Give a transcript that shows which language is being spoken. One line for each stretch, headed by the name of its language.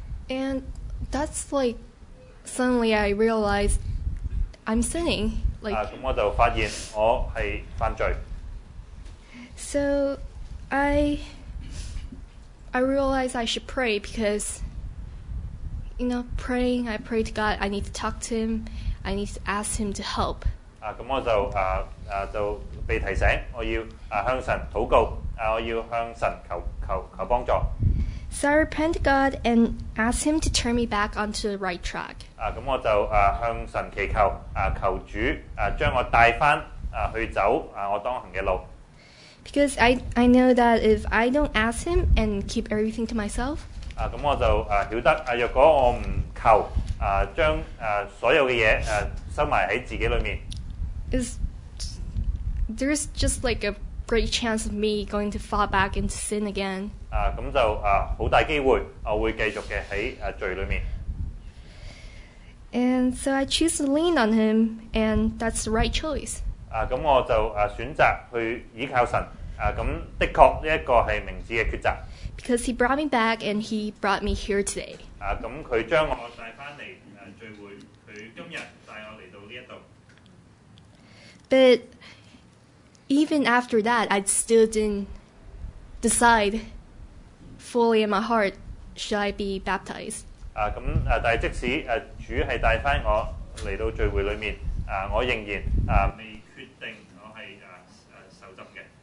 English: And that's like suddenly I realized. I'm sinning. Like,
Cantonese: 咁我就發現我係犯罪。
English: So, I realize I should pray because, you know, praying. I pray to God. I need to talk to Him. I need to ask Him to help.
Cantonese: 咁我就就被提醒，我要向神禱告，我要向神求幫助。
English: So I repent to God and ask Him to turn me back onto the right track.
Cantonese: 咁我就向神祈求，求主將我帶翻去走我當行嘅路。
English: Because I know that if I don't ask Him and keep everything to myself,
Cantonese: 咁我就曉得若果我唔求將所有嘅嘢收埋喺自己裏面
English: there's just like a great chance of me going to fall back into sin again.
Cantonese: 咁就好大機會，我會繼續嘅喺罪裏面。
English: And so I choose to lean on him, and that's the right choice.
Cantonese: 咁我就選擇去倚靠神。咁的確呢一個係明智嘅抉擇。
English: Because he brought me back, and he brought me here today.
Cantonese: 咁佢將我帶翻嚟聚會，佢今日帶我嚟到呢一度。
English: But even after that, I still didn't decide fully in my heart, should I be baptized?
Cantonese: 咁但係即使主係帶翻我嚟到聚會裏面，我仍然未決定我係受浸嘅。